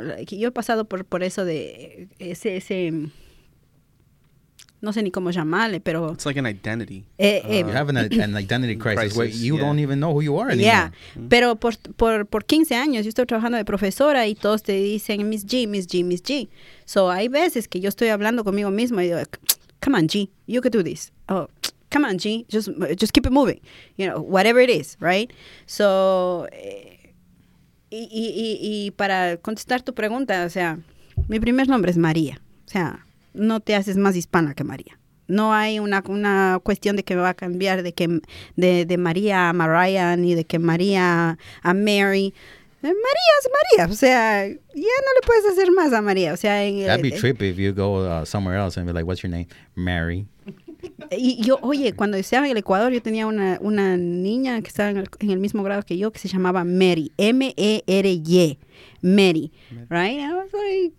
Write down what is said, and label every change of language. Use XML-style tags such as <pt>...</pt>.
<es>Like, yo he pasado por eso de ese no sé ni cómo llamarle, pero...</es> <en>It's like an identity. You have an identity crisis where you don't even know who you are anymore.</en> <es>Yeah, pero por 15 años yo estoy trabajando de profesora y todos te dicen Miss G, Miss G, Miss G. So hay veces que yo estoy hablando conmigo mismo y digo,</es> <en>come on, G, you can do this. Oh, come on, G, just keep it moving, you know, whatever it is, right?</en> <es>So, y para contestar tu pregunta, o sea, mi primer nombre es María, o sea, no te haces más hispana que María. No hay una cuestión de que me va a cambiar de María a Mariah, ni de que María a Mary. María es María, o sea, ya no le puedes hacer más a María, o sea.</es> <en>That'd be trippy if you go somewhere else and be like, what's your name? Mary.</en> <es>Y yo, oye, cuando estaba en el Ecuador, yo tenía una niña que estaba en el mismo grado que yo, que se llamaba Mary, M-E-R-Y, Mary, right?</es> <en>I was like,</en>